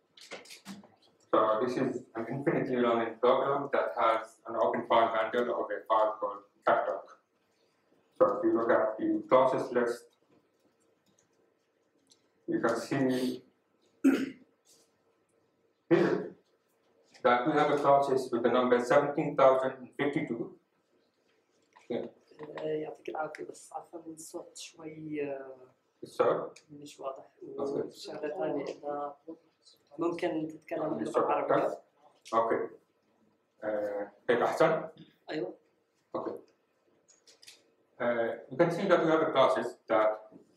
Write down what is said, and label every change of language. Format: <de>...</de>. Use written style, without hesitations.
<en>this is an infinitely learning problem that has an open file handle of a file called TechTalk. So if you look at the classes list, you can see that we have a classes with the number 17,052.</en> <ar>يعطيك العافية بس عفوا الصوت شوي مش واضح وشغلة ثانية إذا ممكن تتكلم باللغة العربية اوكي هيك أحسن؟ أيوه اوكي</ar> <en>you can see that we have a classes that</en>